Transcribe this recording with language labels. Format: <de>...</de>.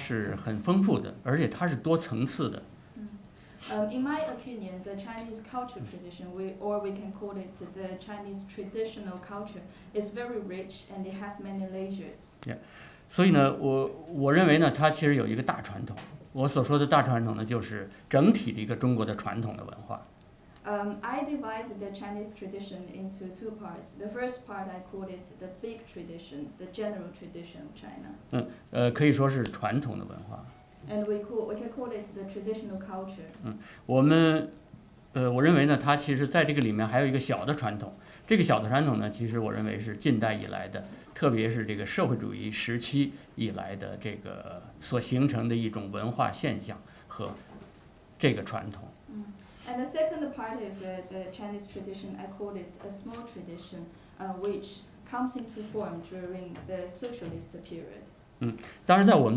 <zh>在我看来呢，中国的文化传统或者说中国的传统文化中呢，其实呢它是很丰富的，而且它是多层次的。</zh> <en>In my opinion, the Chinese cultural tradition, we can call it the Chinese traditional culture, is very rich and it has many layers. Yeah.</en> <zh>所以呢，我认为呢，它其实有一个大传统。我所说的大传统呢，就是整体的一个中国的传统的文化。</zh> <en>I divide the Chinese tradition into two parts. The first part I call it the big tradition, the general tradition of China.</en> <zh>可以说是传统的文化。</zh> <en>And we can call it the traditional culture.</en> <zh>我认为呢，它其实在这个里面还有一个小的传统，这个小的传统呢，其实我认为是近代以来的，特别是这个社会主义时期以来的这个所形成的一种文化现象和这个传统。</zh> <en>And the second part of the Chinese tradition, I call it a small tradition, which comes into form during the socialist period.</en>